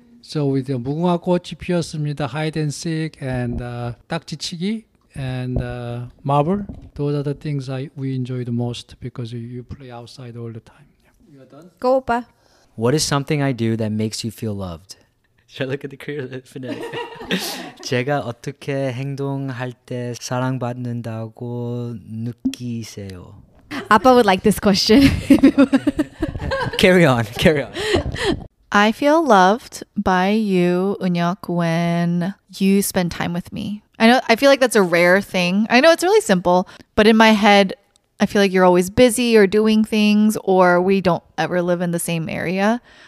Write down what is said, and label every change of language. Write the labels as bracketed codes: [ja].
[en] So with the 무궁화 꽃이 피었습니다, hide and seek, and 딱지치기. And marble, those are the things we enjoy the most because you play outside all the time. Yeah. You are done? Go, Opa. What is something I do that makes you feel loved? Should I look at the career phonetic? [ko] 제가 어떻게 행동할 때 사랑받는다고 느끼세요? [en] Appa would like this question. Carry on. I feel loved by you, Eunhyuk, when you spend time with me. I feel like that's a rare thing. I know it's really simple, but in my head, I feel like you're always busy or doing things, or we don't ever live in the same area.